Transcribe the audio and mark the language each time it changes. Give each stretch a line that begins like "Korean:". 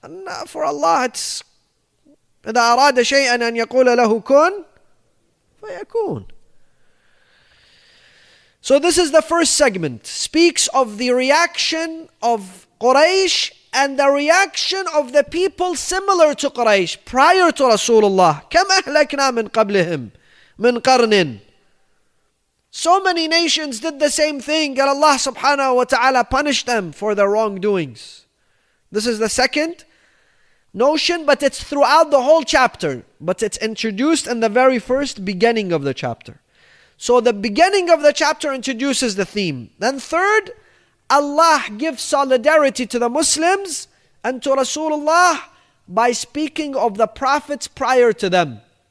English: And for Allah, it's
Arabic: إذا أراد شيئا أن يقول له كن فيكون.
English: So this is the first segment. Speaks of the reaction of Quraysh and the reaction of the people similar to Quraysh prior to Rasulullah.
Arabic: كم أهلكنا من قبلهم من قرن.
English: So many nations did the same thing and Allah subhanahu wa ta'ala punished them for their wrongdoings. This is the second notion, but it's throughout the whole chapter. But it's introduced in the very first beginning of the chapter. So the beginning of the chapter introduces the theme. Then third, Allah gives solidarity to the Muslims and to Rasulullah by speaking of the prophets prior to them.